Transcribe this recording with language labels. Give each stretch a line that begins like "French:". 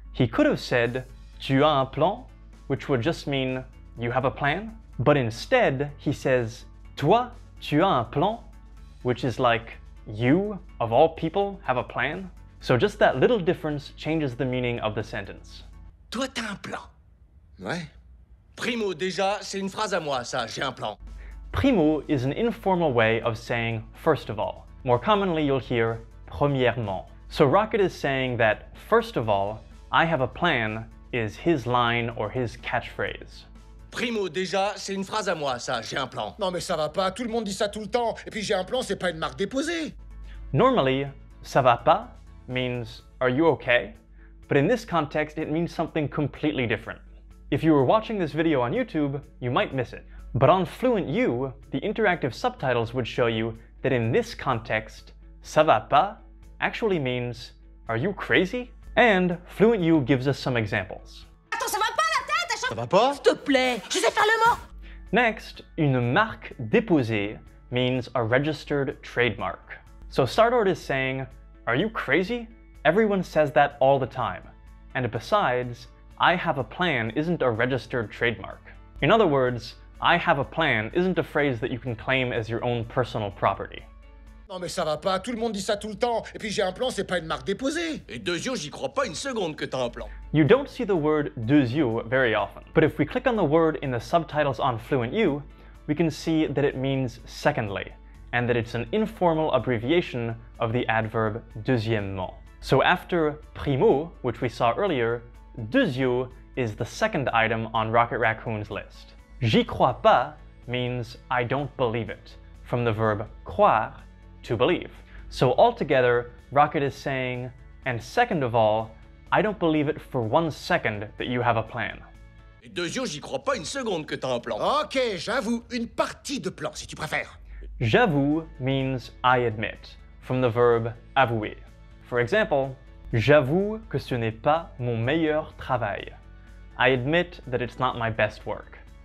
English: He could have said,
French: tu as un plan,
English: which would just mean, you have a plan. But instead, he says,
French: toi, tu as un plan,
English: which is like, you, of all people, have a plan. So just that little difference changes the meaning of the sentence.
French: Toi, t'as un plan. Ouais. Primo, déjà, c'est une phrase à moi, ça, j'ai un plan.
English: Primo is an informal way of saying first of all. More commonly, you'll hear premièrement. So Rocket is saying that first of all, I have a plan is his line or his catchphrase.
French: Primo, déjà, c'est une phrase à moi, ça, j'ai un plan. Non mais ça va pas, tout le monde dit ça tout le temps. Et puis j'ai un plan, c'est pas une marque déposée.
English: Normally,
French: ça va pas
English: means are you okay? But in this context, it means something completely different. If you were watching this video on YouTube, you might miss it. But on FluentU, the interactive subtitles would show you that in this context,
French: ça va pas
English: actually means, are you crazy? And FluentU gives us some examples.
French: Attends, ça va pas la tête, ça va pas? S'il te plaît, je sais faire le mot!
English: Next,
French: une marque déposée
English: means a registered trademark. So Star-Lord is saying, are you crazy? Everyone says that all the time. And besides, I have a plan isn't a registered trademark. In other words, I have a plan isn't a phrase that you can claim as your own personal property.
French: Non mais ça va pas, tout le monde dit ça tout le temps. Et puis j'ai un plan, c'est pas une marque déposée. Et Deuxio, j'y crois pas une seconde que t'as un plan.
English: You don't see the word Deuxio very often. But if we click on the word in the subtitles on FluentU, we can see that it means secondly, and that it's an informal abbreviation of the adverb deuxièmement. So after Primo, which we saw earlier, Deuxio is the second item on Rocket Raccoon's list.
French: J'y crois pas
English: means I don't believe it, from the verb croire, to believe. So altogether, Rocket is saying, and second of all, I don't believe it for 1 second that you have a plan.
French: Et Deuxio, j'y crois pas une seconde que t'as un plan. Ok, j'avoue, une partie de plan, si tu préfères. J'avoue
English: means I admit, from the verb avouer. For example,
French: j'avoue que ce n'est pas mon meilleur travail.
English: I admit that it's not my best work.